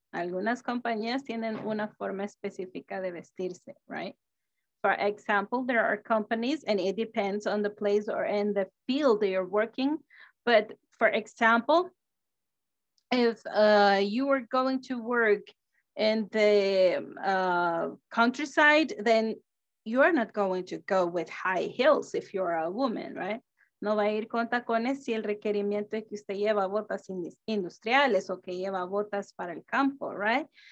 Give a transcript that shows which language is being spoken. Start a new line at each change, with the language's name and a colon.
Spanish: Algunas compañías tienen una forma específica de vestirse, right?
English: For example, there are companies, and it depends on the place or in the field they are working. But for example, if you are going to work in the countryside, then you are not going to go with high heels if you are a woman, right?
Spanish: No va a ir con tacones si el requerimiento es que usted lleva botas industriales o que lleva botas para el campo, right?